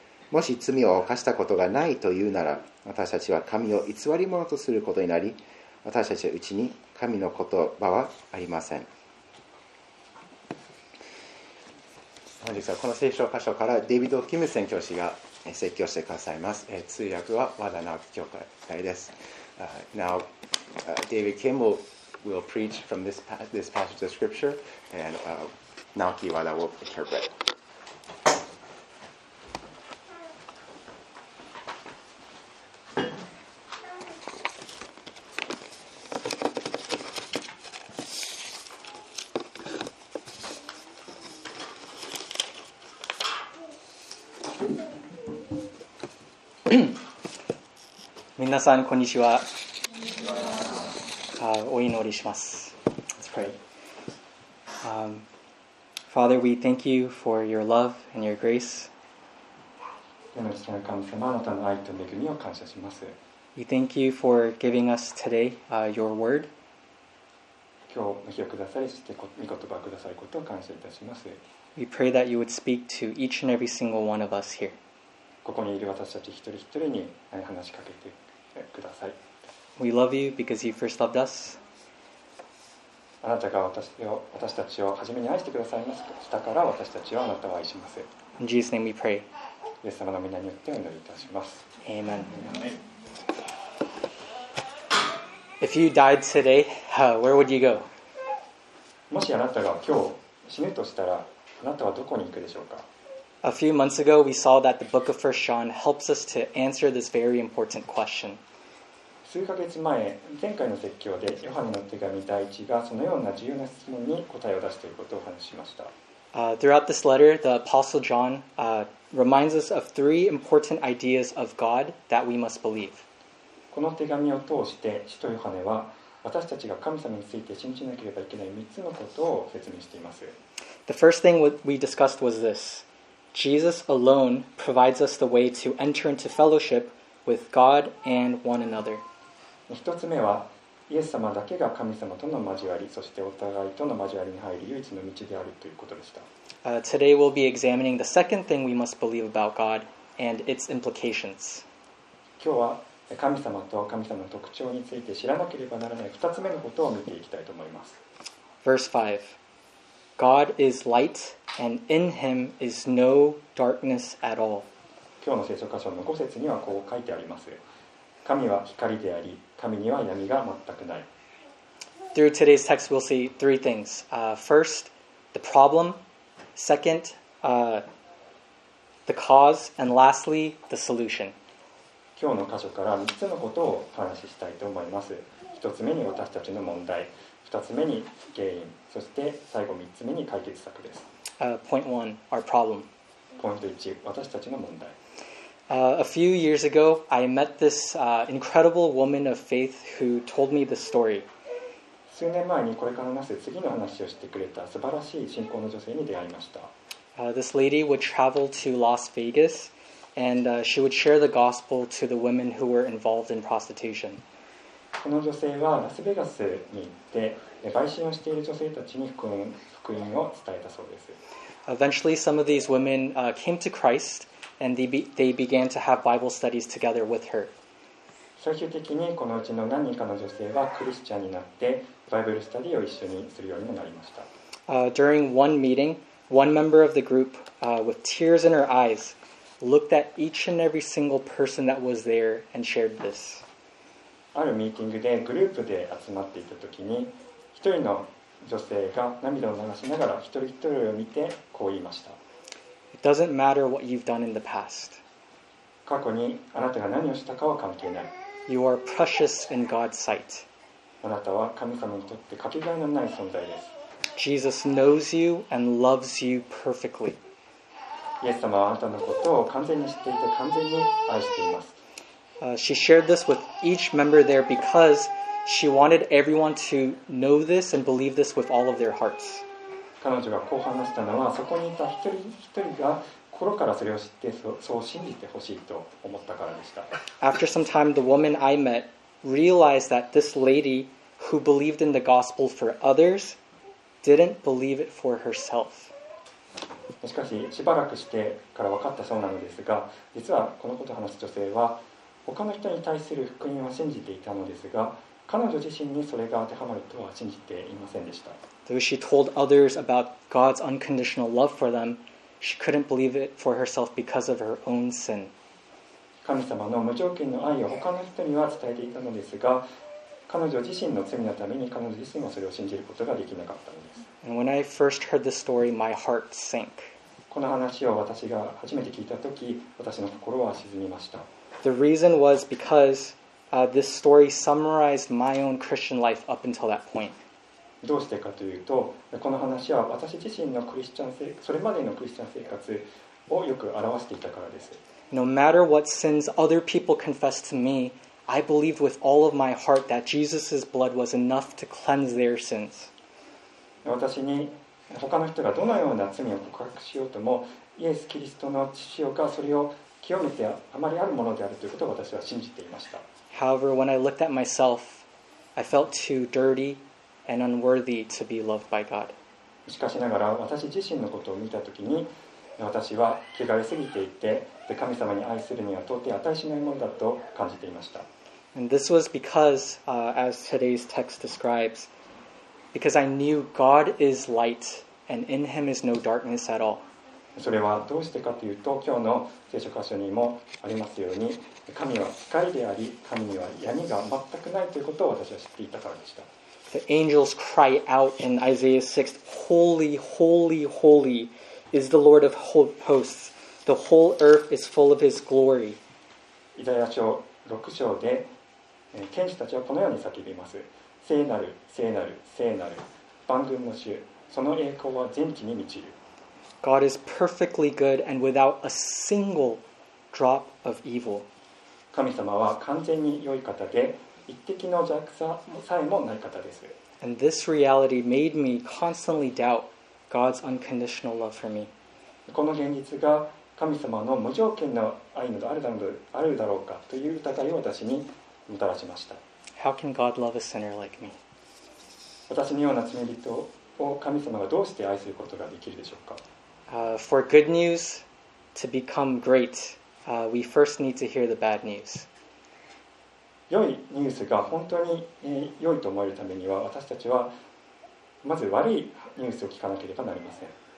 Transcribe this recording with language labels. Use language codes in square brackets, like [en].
[ja] もし罪を犯したことがないというなら、私たちは神を偽り者とすることになり、私たちのうちに神の言葉はありません。本日はこの聖書箇所からデビッド・キム宣教師が説教してくださいます。通訳は和田直樹教会です。 [en] Now, David Kim will preach from this passage of scripture, and Naoki Wada will interpret. [ja] みなさん、こんにちは。お祈りします。 [en] Let's pray. Father, we thank you for your love and your grace. [ja] 神様、あなたの愛と恵みを感謝します。 [en] We thank you for giving us today, your word. [ja] 今日、お日をくださりして、御言葉をくださることを感謝いたします。 [en] We pray that you would speak to each and every single one of us here. [ja] ここにいる私たち一人一人に話しかけてください。 [en] We love you because you first loved us. [ja] あなたが私たちを初めに愛してくださいましたから、私たちをあなたを愛します。 [en] In Jesus' name we pray. [ja] イエス様の名によってお祈りいたします。 [en] Amen. If you died today, where would you go? [ja] もしあなたが今日死ぬとしたら、あなたはどこに行くでしょうか？ [en] A few months ago, we saw that the book of 1 John helps us to answer this very important question. [ja] 数ヶ月前、前回の説教でヨハネの手紙第一がそのような重要な質問に答えを出していることを話しました。 [en] Throughout this letter, the Apostle John reminds us of three important ideas of God that we must believe. [ja] この手紙を通して、使徒ヨハネは私たちが神様について信じなければいけない3つのことを説明しています。 [en] The first thing we discussed was this. Jesus alone provides us the way to enter into fellowship with God and one another. [ja] 一つ目は、イエス様だけが神様との交わり、そしてお互いとの交わりに入る唯一の道であるということでした。 [en] Today we'll be examining the second thing we must believe about God and its implications. [ja] 今日は神様と神様の特徴について知らなければならない二つ目のことを見ていきたいと思います。 [en] Verse 5. God is light, and in him is no darkness at all. [ja] 今日の聖書箇所の5節にはこう書いてあります。神は光であり、神には闇が全くない。 [en] Through today's text, we'll see three things. First, the problem. Second, the cause, and lastly, the solution. [ja] 今日の箇所から3つのことをお話ししたいと思います。1つ目に私たちの問題、2つ目に原因、そして最後3つ目に解決策です。 [en] Point 1, our problem. [ja] ポイント1、私たちの問題。 [en] A few years ago, I met this incredible woman of faith who told me the story. [ja] 数年前にこれから話す次の話をしてくれた素晴らしい信仰の女性に出会いました。 [en] This lady would travel to Las Vegas and she would share the gospel to the women who were involved in prostitution. [ja] この女性はラスベガスに行って売春をしている女性たちに福音を伝えたそうです。 [en] Eventually, some of these women came to Christ. And they began to have Bible studies together with her. [ja] 最終的にこのうちの何人かの女性はクリスチャンになってバイブルスタディを一緒にするようになりました。 [en] During one meeting, one member of the group, with tears in her eyes, looked at each and every single person that was there and shared this. [ja] あるミーティングでグループで集まっていた時に、一人の女性が涙を流しながら一人一人を見てこう言いました。 [en] It doesn't matter what you've done in the past. [ja] 過去にあなたが何をしたかは関係ない。 [en] You are precious in God's sight. [ja] あなたは神様にとってかけがえのない存在です。 [en] Jesus knows you and loves you perfectly. [ja] イエス様はあなたのことを完全に知っていて完全に愛しています。 [en] She shared this with each member there because she wanted everyone to know this and believe this with all of their hearts. [ja] 彼女がこう話したのはそこにいた一人一人が心からそれを知って そう信じてほしいと思ったからでした。 [en] After some time, the woman I met realized that this lady who believed in the gospel for others didn't believe it for herself. [ja] しかししばらくしてから分かったそうなのですが、実はこのことを話す女性は他の人に対する福音を信じていたのですが、彼女自身にそれが当てはまるとは信じていませんでした。 [en] Though she told others about God's unconditional love for them, she couldn't believe it for herself because of her own sin. [ja] 神様の無条件の愛を他の人には伝えていたのですが、彼女自身の罪のために彼女自身はそれを信じることができなかったのです。 [en] And when I first heard this story, my heart sank. [ja] この話を私が初めて聞いたとき、私の心は沈みました。 [en] The reason was because this story summarized my own Christian life up until that point. [ja] どうしてかというと、この話は私自身のクリスチャン生、それまでのクリスチャン生活をよく表していたからです。 [en] No matter what sins other people confessed to me, I believed with all of my heart that Jesus' blood was enough to cleanse their sins. [ja] 私に他の人がどのような罪を告白しようとも、イエス・キリストの血がそれを清めてあまりあるものであるということを私は信じていました。 [en] However, when I looked at myself, I felt too dirty. And unworthy to be loved by God. [ja] しかしながら私自身のことを見たときに私は汚れすぎていて神様に愛するには到底値しないものだと感じていました。 [en] And this was because, as today's text describes, because I knew God is light and in him is no darkness at all. [ja] それはどうしてかというと今日の聖書箇所にもありますように神は光であり神には闇が全くないということを私は知っていたからでした。 [en] The angels cry out in Isaiah 6, Holy, holy, holy is the Lord of hosts. The whole earth is full of his glory. [ja] イザヤ書6章で、天使たちはこのように叫びます。聖なる、聖なる、聖なる、万軍の主、その栄光は全地に満ちる。 [en] God is perfectly good and without a single drop of evil. [ja] 神様は完全に良い方で、一滴の弱さもさえもない方です。 [en] And this reality made me constantly doubt God's unconditional love for me. [ja] この現実が神様の無条件の愛のあるだろうかという疑いを私にもたらしました。 [en] How can God love a sinner like me? [ja] 私のような罪人を神様がどうして愛することができるでしょうか。 [en] For good news to become great, we first need to hear the bad news. [ja] 良いニュースが本当に良いと思えるためには私たちはまず悪いニュースを聞かなければなりません。